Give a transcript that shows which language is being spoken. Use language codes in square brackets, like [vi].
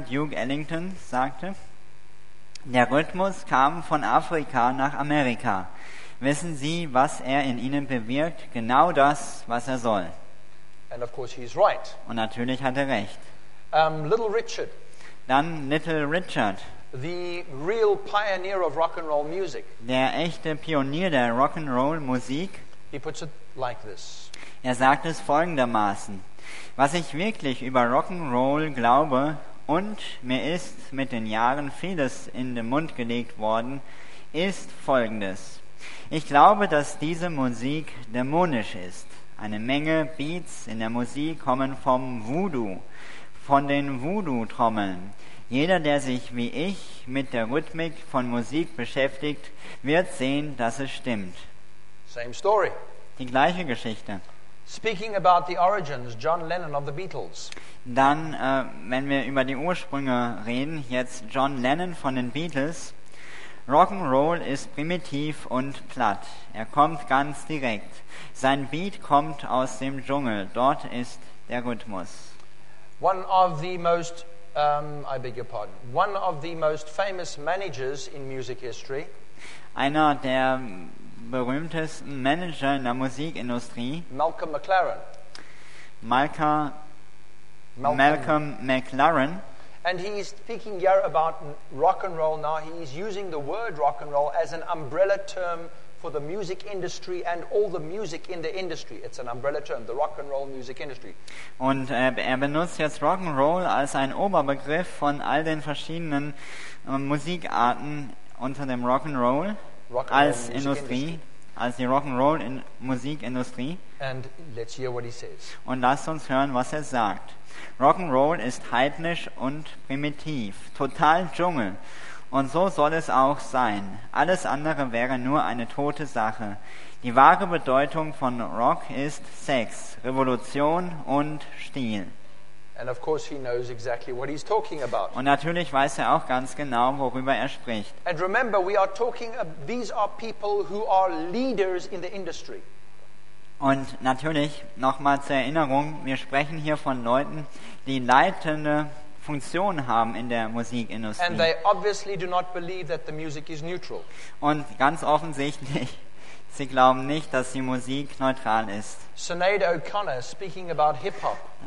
[de] Duke Ellington sagte: Der Rhythmus kam von Afrika nach Amerika. Wissen Sie, was er in Ihnen bewirkt? Genau das, was er soll. [en] And of course he's right. [de] Und natürlich hat er recht. [en] Little Richard. [de] Dann Little Richard. [en] The real pioneer of rock and roll music. [de] Der echte Pionier der Rock and Roll Musik. [en] He puts it like this. [de] Er sagt es folgendermaßen: Was ich wirklich über Rock and Roll glaube, und mir ist mit den Jahren vieles in den Mund gelegt worden, ist Folgendes. Ich glaube, dass diese Musik dämonisch ist. Eine Menge Beats in der Musik kommen vom Voodoo, von den Voodoo-Trommeln. Jeder, der sich wie ich mit der Rhythmik von Musik beschäftigt, wird sehen, dass es stimmt. [en] Same story. [de] Die gleiche Geschichte. [en] Speaking about the origins, John Lennon of the Beatles. [de] Dann, wenn wir über die Ursprünge reden, jetzt John Lennon von den Beatles. Rock'n'Roll ist primitiv und platt. Er kommt ganz direkt. Sein Beat kommt aus dem Dschungel. Dort ist der Rhythmus. [en] One of the most I beg your pardon. One of the most famous managers in music history. [de] Einer der berühmtesten Manager in der Musikindustrie. [en] Malcolm McLaren. [de] Malcolm McLaren. [en] And he is speaking here about rock and roll now. He is using the word rock and roll as an umbrella term for the music industry and all the music in the industry. It's an umbrella term, the rock and roll music industry. [de] Und er benutzt jetzt rock and roll als einen Oberbegriff von all den verschiedenen Musikarten unter dem rock and roll als Industrie, als die rock and roll in Musikindustrie. [en] And let's hear what he says. [de] Und lasst uns hören, was er sagt. Rock'n'Roll ist heidnisch und primitiv, total Dschungel. Und so soll es auch sein. Alles andere wäre nur eine tote Sache. Die wahre Bedeutung von Rock ist Sex, Revolution und Stil. [en] And of course he knows exactly what he's talking about. [de] Und natürlich weiß er auch ganz genau, worüber er spricht. [en] And remember, we are talking about, these are people who are leaders in the industry. [de] Und natürlich, nochmal zur Erinnerung, wir sprechen hier von Leuten, die leitende Funktionen haben in der Musikindustrie. [en] And they obviously do not believe that the music is neutral. [de] Und ganz offensichtlich, sie glauben nicht, dass die Musik neutral ist. [en] Sinead O'Connor speaking about hip-hop.